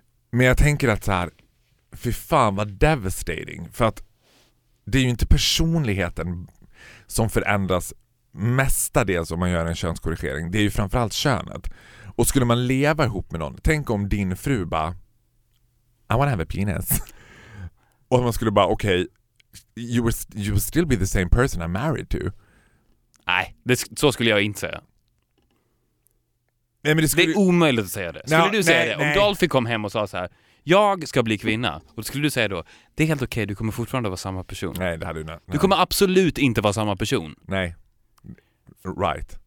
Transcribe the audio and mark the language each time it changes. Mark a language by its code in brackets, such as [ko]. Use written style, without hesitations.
[sv] Men jag tänker att så här, fy fan vad devastating. För att det är ju inte personligheten som förändras mestadels om man gör en könskorrigering. Det är ju framförallt könet. Och skulle man leva ihop med någon, tänk om din fru bara [en] I wanna have a penis. [sv] Och man skulle bara, okej, [en] You will still be the same person I'm married to. [sv] Nej, så skulle jag inte säga. Nej, men det är omöjligt att säga det. Skulle du säga det? Om Dolphy kom hem och sa så här, jag ska bli kvinna. Och skulle du säga då, det är helt okej, du kommer fortfarande vara samma person. Nej, det hade du inte. Du kommer absolut inte vara samma person. Nej, right.